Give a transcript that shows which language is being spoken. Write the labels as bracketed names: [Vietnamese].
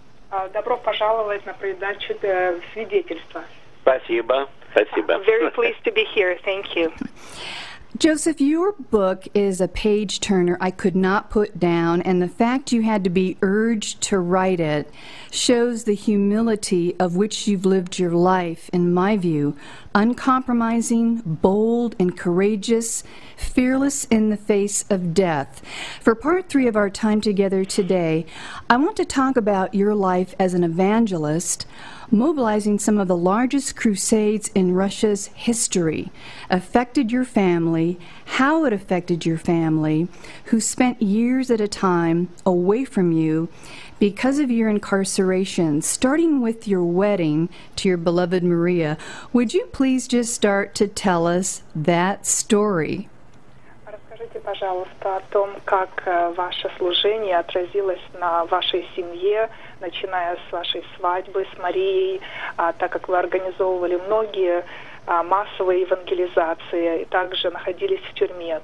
[Russian] Добро пожаловать на передачу свидетельства. Спасибо. [English] I'm very pleased to be here. Thank you. Joseph, your book is a page-turner I could not put down, and the fact you had to be urged to write it shows the humility of which you've lived your life, in my view, uncompromising, bold, and courageous, fearless in the face of death. For part 3 of our time together today, I want to talk about your life as an evangelist, mobilizing some of the largest crusades in Russia's history, affected your family, how it affected your family, who spent years at a time away from you because of your incarceration, starting with your wedding to your beloved Maria. Would you please just start to tell us that story? [Russian] Расскажите, пожалуйста, о том, как ваше служение отразилось на вашей семье, начиная с вашей свадьбы с Марией, так как вы организовывали многие массовые евангелизации и также находились в тюрьме.